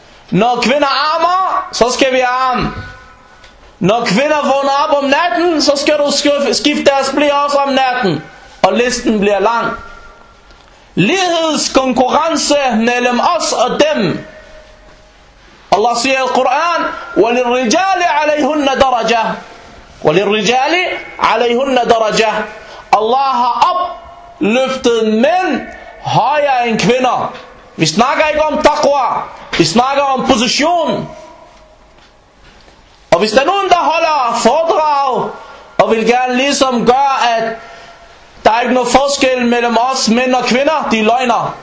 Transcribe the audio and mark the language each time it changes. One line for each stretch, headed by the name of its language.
Danish: Når kvinder armer, så skal vi arme. Når kvinder vågner op om natten, så skal du skifte deres blæ også om natten. Og listen bliver lang. Lighedskonkurrence mellem os og dem. Allah siger i Al-Quran,
Arabic: وَلِلْرِجَالِ عَلَيْهُنَّ دَرَجَةً وَلِلْرِجَالِ عَلَيْهُنَّ دَرَجَةً.
Danish: Allah har opløftet mænd højere end kvinder. Vi snakker ikke om taqwa. Vi snakker om position. Og hvis der er nogen, der holder foredrag, og vil gerne ligesom gøre, at der er ikke noget forskel mellem os mænd og kvinder, de løgner.